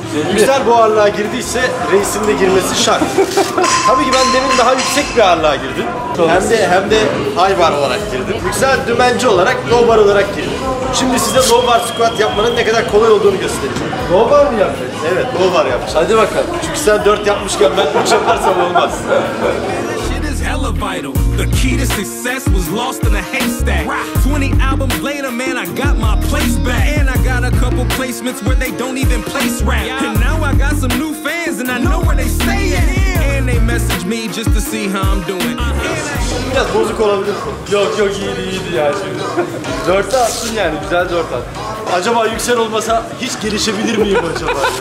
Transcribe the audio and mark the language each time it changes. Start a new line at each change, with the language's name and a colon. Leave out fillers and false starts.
Turkish: Yüksel bu ağırlığa girdiyse reisin de girmesi şart. Tabii ki ben demin daha yüksek bir ağırlığa girdim. Hem de high bar olarak girdim. Yüksel dümenci olarak low bar olarak girdim. Şimdi size low bar squat yapmanın ne kadar kolay olduğunu göstereceğim. Low bar mı yapacağız? Evet, low bar yapacağız. Hadi bakalım. Çünkü sen 4 yapmışken ben 3 yaparsam olmaz.
English: The key to success was lost in a haystack. 20 albums later, man, I got my place back. And I got a couple placements where they don't even place rap. And now I got some new fans and I know where they stay at. And they message me just to see how I'm doing.
Turkish: Biraz bozuk olabilir. Yok iyiydi ya şimdi. 4'te attın yani, güzel 4 attın. Acaba yüksel olmasa hiç gelişebilir miyim acaba?